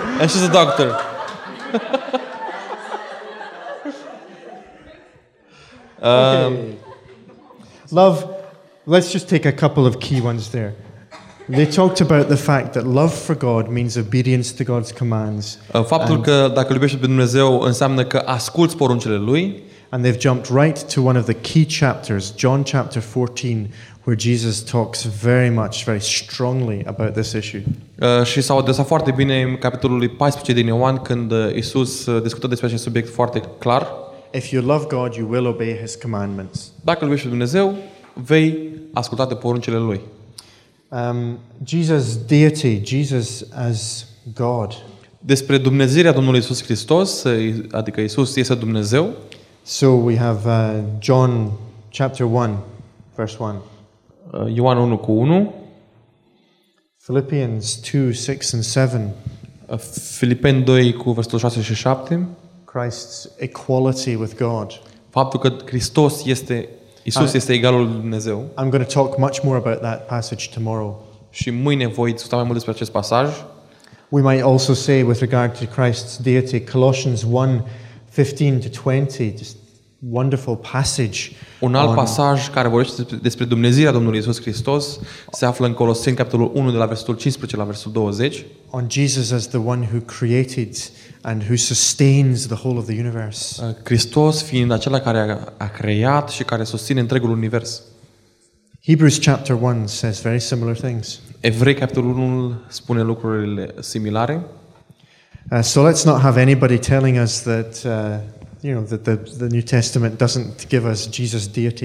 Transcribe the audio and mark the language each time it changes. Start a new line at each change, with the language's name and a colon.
English: And she's a doctor. Okay. Love, let's just take a couple of key ones there. They talked about the fact that love for God means obedience to God's commands.
Romanian: Faptul că dacă iubești pe Dumnezeu înseamnă că asculți poruncile lui.
English: And they've jumped right to one of the key chapters, John chapter 14, where Jesus talks very much, very strongly about this issue.
Romanian: Și s-au adresat foarte bine în capitolul 14 din Ioan, când Iisus discută despre acest subiect foarte clar.
English: If you love God, you will obey his commandments.
Romanian: Dacă iubești pe Dumnezeu, vei asculta de poruncile lui.
English: Jesus' deity, Jesus as God.
Romanian: Despre dumnezeirea Domnului Iisus Hristos, adică Iisus este Dumnezeu.
English: So we have John chapter 1, verse 1.
Romanian: Ioan 1 cu 1.
English: Philippians 2, 6 and 7.
Romanian: Filipeni 2 cu versetul 6 și 7.
English: Christ's equality with God.
Romanian: Faptul că Hristos este Iisus este egalul lui Dumnezeu.
English: I'm going to talk much more about that passage tomorrow.
Romanian: Și mâine voi discuta mai mult despre acest pasaj.
English: We might also say with regard to Christ's deity, Colossians 1:15-20, just wonderful passage.
Romanian: Un alt pasaj care vorbește despre dumnezeirea Domnului Iisus Hristos se află în Coloseni capitolul 1 de la versetul 15 la versetul 20.
English: On Jesus as the one who created and who sustains the whole of the universe.
Romanian: Hristos fiind acela care a creat și care susține întregul univers.
English: Hebrews chapter 1 says very similar things.
Romanian: Evrei capitolul 1 spune lucrurile similare.
English: So let's not have anybody telling us that you know that the New Testament doesn't give us Jesus' deity.